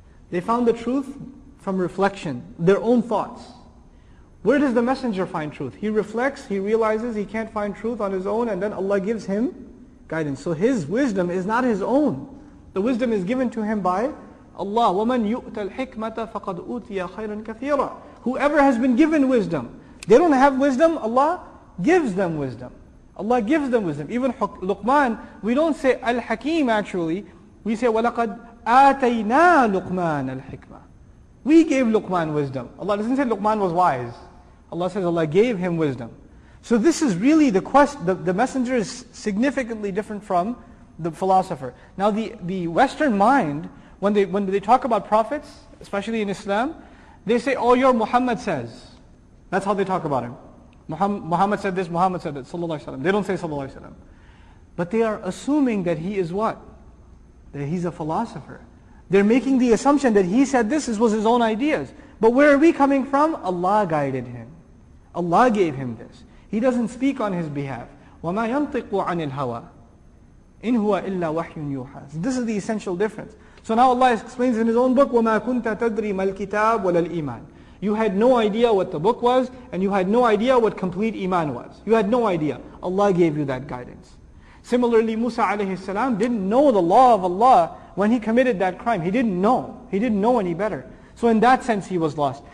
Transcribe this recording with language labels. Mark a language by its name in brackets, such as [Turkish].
[English] They found the truth from reflection, their own thoughts. Where does the Messenger find truth? He reflects, he realizes he can't find truth on his own, and then Allah gives him guidance. So his wisdom is not his own. The wisdom is given to him by Allah. [Arabic] وَمَنْ يُؤْتَ الْحِكْمَةَ فَقَدْ أُوْتِيَ خَيْرًا كَثِيرًا [English] Whoever has been given wisdom. They don't have wisdom, Allah gives them wisdom. Allah gives them wisdom. Even Luqman, we don't say Al-Hakim actually, we say [Arabic] وَلَقَدْ آتَيْنَا لُقْمَانَ الْحِكْمَةَ [English] We gave Luqman wisdom. Allah doesn't say Luqman was wise. Allah says Allah gave him wisdom. So this is really the quest, the Messenger is significantly different from the philosopher. Now the Western mind, when they talk about prophets, especially in Islam, they say, oh, your Muhammad says. That's how they talk about him. Muhammad said this, Muhammad said that, sallallahu alayhi wa sallam. They don't say sallallahu alayhi wa sallam. But they are assuming that he is what? That he's a philosopher. They're making the assumption that he said this, this was his own ideas. But where are we coming from? Allah guided him. Allah gave him this. He doesn't speak on his behalf. [Arabic] وَمَا يَنْطِقُ عَنِ الْهَوَىٰ إِنْ هُوَ إِلَّا وَحْيٌ يُوحَىٰ [English] This is the essential difference. So now Allah explains in his own book, [Arabic] وَمَا كُنْتَ تَدْرِي مَا الْكِتَابُ وَلَا الْإِيمَانِ [English] You had no idea what the book was, and you had no idea what complete iman was. You had no idea. Allah gave you that guidance. Similarly, Musa alayhi salam didn't know the law of Allah, When he committed that crime, he didn't know. He didn't know any better. So in that sense, he was lost.